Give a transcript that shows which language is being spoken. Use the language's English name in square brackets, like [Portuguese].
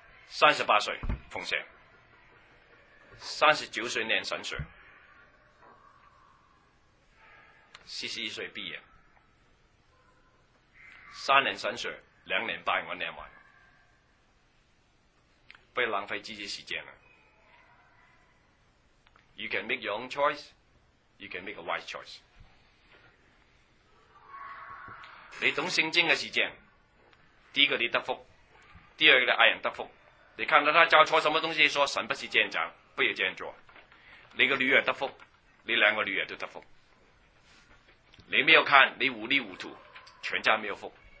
[Chinese] 38岁奉献，39岁念神学，41岁毕业，3年神学，2年半我念完，不要浪费自己时间了。 [English] You can make your own choice, you can make a wise choice。 [Chinese] 你懂圣经的时间，第一个你得福，第二个你爱人得福。你看到他教错什么东西，说神不是这样讲，不要这样做。你个女儿得福，你两个女儿都得福。你没有看，你糊里糊涂，全家没有福。